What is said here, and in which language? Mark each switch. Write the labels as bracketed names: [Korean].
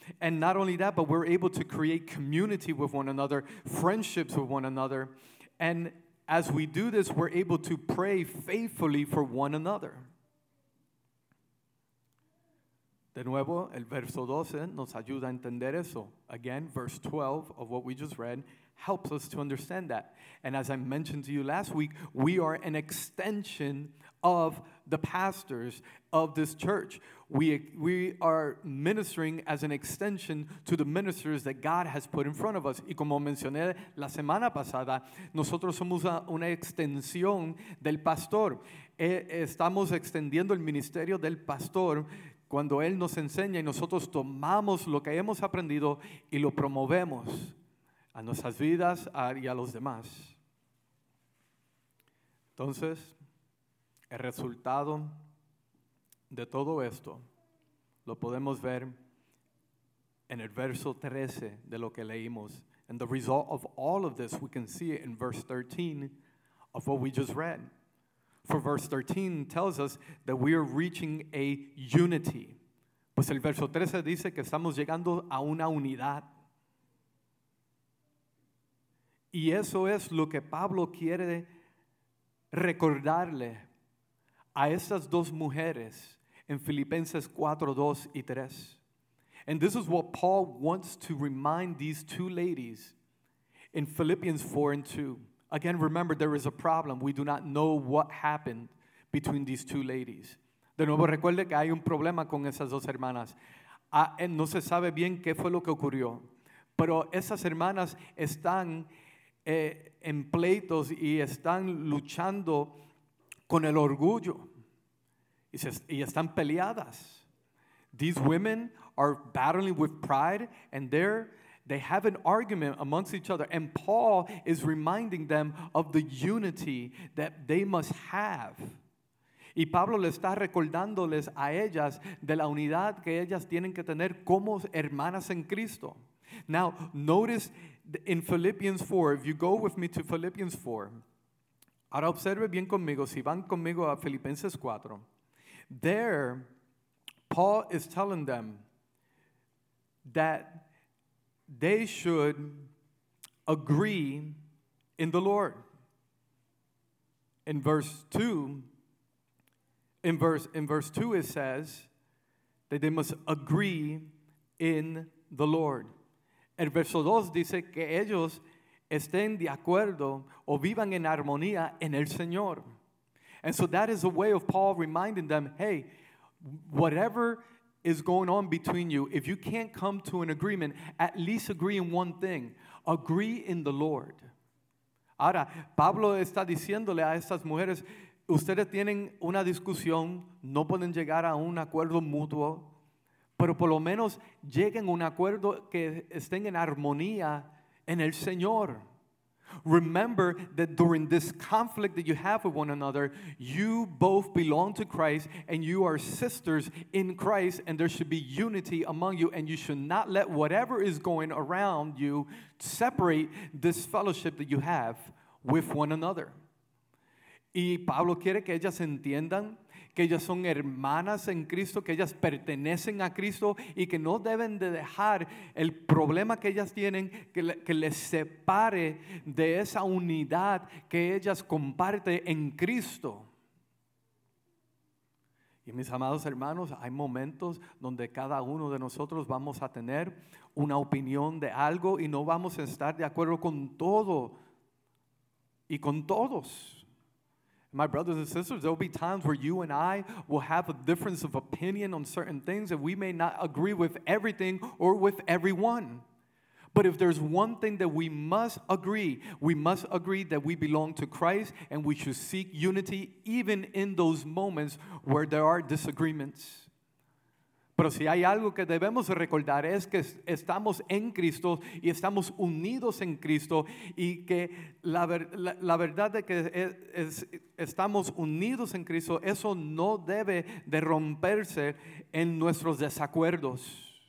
[English] And not only that, but we're able to create community with one another, friendships with one another. And as we do this, we're able to pray faithfully for one another. [Spanish] De nuevo, el verso 12 nos ayuda a entender eso. [English] Again, verse 12 of what we just read helps us to understand that. And as I mentioned to you last week, we are an extension of the pastors of this church. We are ministering as an extension to the ministers that God has put in front of us. [Spanish] Y como mencioné la semana pasada, nosotros somos una extensión del pastor. Estamos extendiendo el ministerio del pastor cuando él nos enseña, y nosotros tomamos lo que hemos aprendido y lo promovemos a nuestras vidas y a los demás. Entonces, el resultado de todo esto lo podemos ver en el verso 13 de lo que leímos. [English] And the result of all of this, we can see it in verse 13 of what we just read. For verse 13 tells us that we are reaching a unity. [Spanish] Pues el verso 13 dice que estamos llegando a una unidad. Y eso es lo que Pablo quiere recordarle a estas dos mujeres en Filipenses 4, 2 y 3. [English] And this is what Paul wants to remind these two ladies in Philippians 4 and 2. Again, remember, there is a problem. We do not know what happened between these two ladies. [Spanish] De nuevo, recuerde que hay un problema con esas dos hermanas. No se sabe bien qué fue lo que ocurrió. Pero esas hermanas están en pleitos y están luchando con el orgullo, y están peleadas. [English] These women are battling with pride, and they have an argument amongst each other, and Paul is reminding them of the unity that they must have. [Spanish] Y Pablo le está recordándoles a ellas de la unidad que ellas tienen que tener como hermanas en Cristo. [English] Now, notice in Philippians 4, if you go with me to Philippians 4, [Spanish] ahora observe bien conmigo, si van conmigo a Filipenses 4, [English] there, Paul is telling them that they should agree in the Lord. In verse 2, it says that they must agree in the Lord. [Spanish] El verso 2 dice que ellos estén de acuerdo o vivan en armonía en el Señor. [English] And so that is a way of Paul reminding them, hey, whatever is going on between you, if you can't come to an agreement, at least agree in one thing. Agree in the Lord. [Spanish] Ahora, Pablo está diciéndole a estas mujeres, ustedes tienen una discusión, no pueden llegar a un acuerdo mutuo, pero por lo menos lleguen a un acuerdo que estén en armonía en el Señor. [English] Remember that during this conflict that you have with one another, you both belong to Christ and you are sisters in Christ, and there should be unity among you, and you should not let whatever is going around you separate this fellowship that you have with one another. [Spanish] Y Pablo quiere que ellas entiendan que ellas son hermanas en Cristo, que ellas pertenecen a Cristo y que no deben de dejar el problema que ellas tienen que les separe de esa unidad que ellas comparten en Cristo. Y mis amados hermanos, hay momentos donde cada uno de nosotros vamos a tener una opinión de algo y no vamos a estar de acuerdo con todo y con todos. [English] My brothers and sisters, there will be times where you and I will have a difference of opinion on certain things, and we may not agree with everything or with everyone. But if there's one thing that we must agree that we belong to Christ, and we should seek unity even in those moments where there are disagreements. [Spanish] Pero si hay algo que debemos recordar es que estamos en Cristo y estamos unidos en Cristo, y que la verdad de que estamos unidos en Cristo, eso no debe de romperse en nuestros desacuerdos.